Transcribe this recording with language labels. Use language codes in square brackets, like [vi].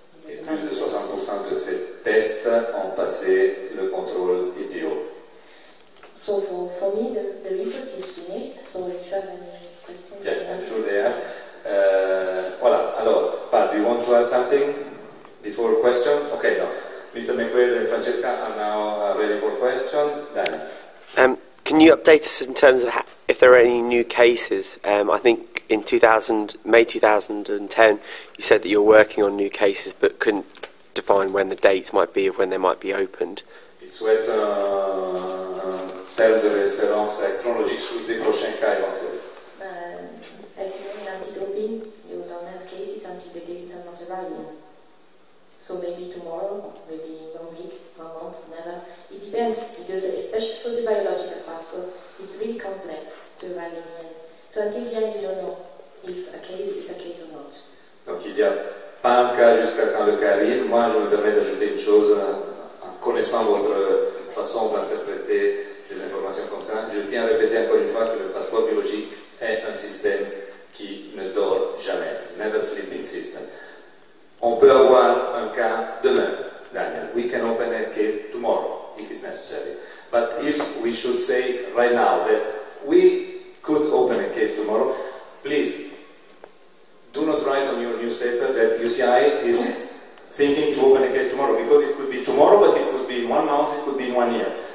[fr] Et plus de 60% de ces tests ont passé le contrôle EBO. [en] So for me, the report is finished, so if you have any questions... Yes, I'm sure they are. [fr] Voilà, alors, [en] Pat, do you want to add something? Before question? Okay, no. Mr. McQuaid and Francesca are now ready for question. Dan? Can you update us in terms of if there are any new cases? I think in May 2010, you said that you're working on new cases, but couldn't define when the dates might be or when they might be opened. [fr] Il souhaite perdre les références chronologiques sur des prochains cas éventuels. [en] As you know, in anti-doping, you don't have cases until the cases are not arriving. So maybe tomorrow, maybe 1 week, 1 month, never. It depends, because especially for the biological passport, it's really complex to arrive in the end. So until the end, you don't know if a case is a case or not. [fr] Donc il n'y a pas un cas jusqu'à quand le cas arrive. Moi, je me permets d'ajouter une chose, en connaissant votre façon d'interpréter des informations comme ça. Je tiens à répéter encore une fois que le passeport biologique est un système qui ne dort jamais. [en] It's never a sleeping system. [fr] On peut avoir un cas demain, Daniel. [en] We can open a case tomorrow, if it's necessary. But if we should say right now that we could open a case tomorrow, please, do not write on your newspaper that UCI is thinking to open a case tomorrow, because it could be tomorrow, but it could be in 1 month, it could be in 1 year.